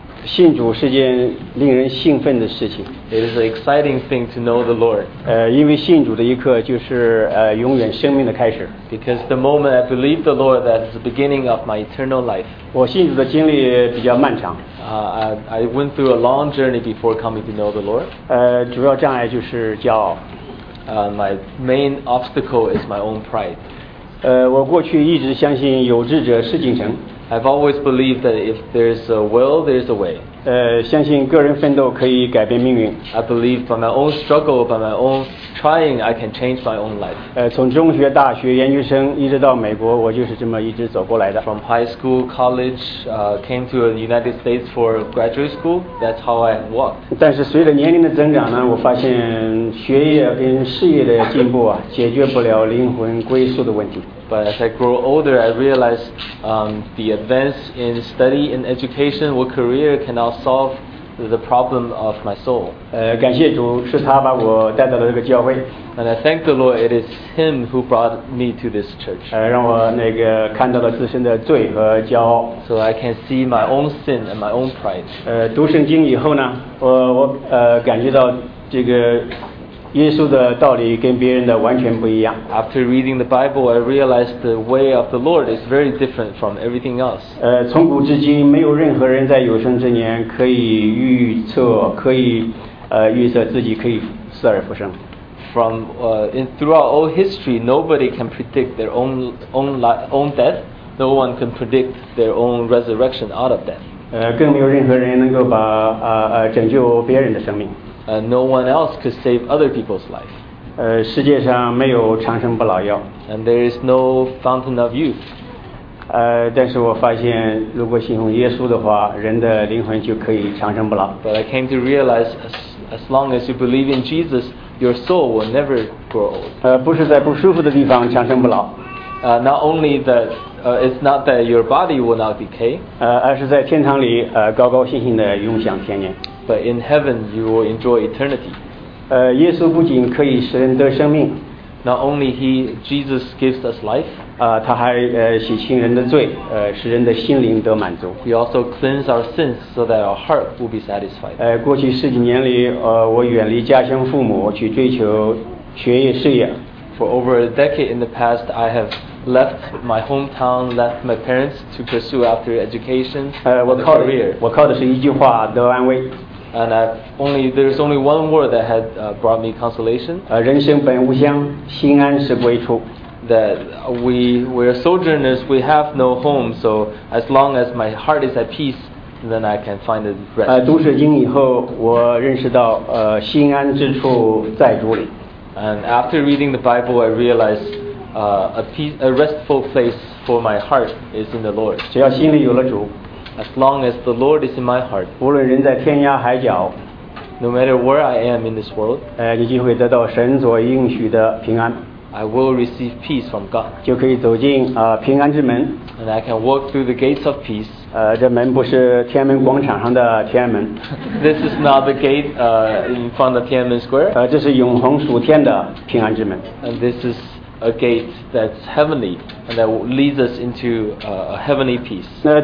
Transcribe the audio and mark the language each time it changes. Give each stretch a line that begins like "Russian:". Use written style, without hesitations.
Chinese: 信主是件令人兴奋的事情。
English: It is an exciting thing to know the Lord.
Chinese: 因为信主的一刻就是永远生命的开始。
English: Because the moment I believe the Lord, that is the beginning of my eternal life.
Chinese: 我信主的经历比较漫长。
English: I went through a long journey before coming to know the Lord.
Chinese: 主要障碍就是骄傲。
English: My main obstacle is my own pride.
Chinese: 我过去一直相信有志者事竟成。
English: I've always believed that if there's a will, there's a way.
Chinese: 相信个人奋斗可以改变命运。
English: I believe by my own struggle, by my own trying, I can change my own life.
Chinese: 从中学、大学、研究生一直到美国，我就是这么一直走过来的。
English: From high school, college, came to the United States for graduate school, that's how I walked.
Chinese: 但是随着年龄的增长呢，我发现学业跟事业的进步啊，解决不了灵魂归宿的问题。
English: But as I grow older, I realize the advance in study and education or career cannot solve the problem of my soul.
Chinese: 感谢主，是他把我带到了这个教会。
English: And I thank the Lord, it is Him who brought me to this church.
Chinese: 让我那个看到了自身的罪和骄傲。
English: So I can see my own sin and my own pride.
Chinese: 读圣经以后呢，我感觉到这个耶稣的道理跟别人的完全不一样。
English: After reading the Bible, I realized the way of the Lord is very different from everything else.
Chinese: 从古至今没有任何人在有生之年可以预测，可以预测自己可以死而复生。
English: From throughout all history, nobody can predict their own death. No one can predict their own resurrection out of death.
Chinese: 更没有任何人能够把拯救别人的生命。
English: No one else could save other people's life.
Chinese: 世界上没有长生不老药。
English: And there is no fountain of youth.
Chinese: 但是我发现，如果信奉耶稣的话，人的灵魂就可以长生不老。
English: But I came to realize, as long as you believe in Jesus, your soul will never grow old.
Chinese: 不是在不舒服的地方长生不老。
English: Not only that, it's not that your body will not decay.
Chinese: 而是在天堂里，高高兴兴的永享天年。
English: But in heaven, you will enjoy eternity.
Chinese: 耶稣不仅可以使人得生命。
English: Not only Jesus gives us life.
Chinese: 他还洗清人的罪，使人的心灵得满足。
English: He also cleanses our sins so that our heart will be satisfied.
Chinese: 过去十几年里，我远离家乡父母去追求学业事业。
English: For over a decade in the past, I have left my hometown, left my parents to pursue after education and career.
Chinese: 我靠的是一句话得安慰。
English: And there's only one word that had brought me consolation.
Chinese: 人生本无乡，心安是归处。
English: That we're sojourners, we have no home, so as long as my heart is at peace, then I can find the rest.
Chinese: 读圣经以后，我认识到心安之处在主里。
English: And after reading the Bible, I realized a restful place for my heart is in the Lord.
Chinese: 只要心里有了主，
English: as long as the Lord is in my heart,
Chinese: 无论人在天涯海角，
English: no matter where I am in this world,
Chinese: 你就会得到神所应许的平安。
English: I will receive peace from God.
Chinese: 就可以走进平安之门。
English: And I can walk through the gates of peace.
Chinese: 这门不是天安门广场上的天安门。
English: This is not the gate in front of Tiananmen Square.
Chinese: 这是永恒属天的平安之门。
English: And this is a gate that's heavenly and that leads us into a heavenly peace.